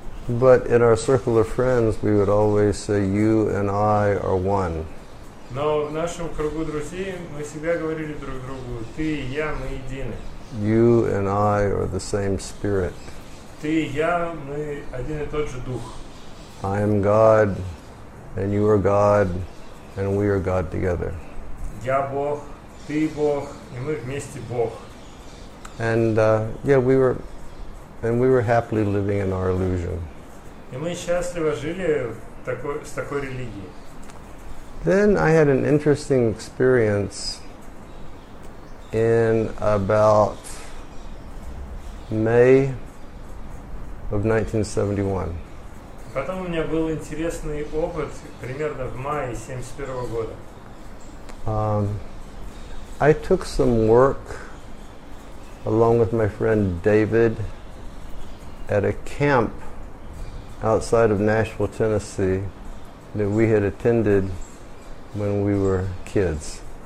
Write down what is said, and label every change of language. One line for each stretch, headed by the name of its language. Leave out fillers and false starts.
English: But in our circle of friends, we would always say, "You and I are one."
Russian: Но в нашем кругу друзей мы всегда говорили друг другу: "Ты и я, мы едины."
English: You and I are the same spirit.
Russian: Ты и я, мы один и тот же дух.
English: I am God, and you are God, and we are God together.
Russian: Я Бог, ты Бог, и мы вместе Бог.
English: And we were And we were happily living in our illusion.
Russian: И мы счастливо жили с такой религией.
English: Then I had an interesting experience in about May of 1971.
Russian: Потом у меня был интересный опыт примерно в мае 71 года.
English: I took some work along with my friend David at a camp outside of Nashville, Tennessee that we had attended when we were kids.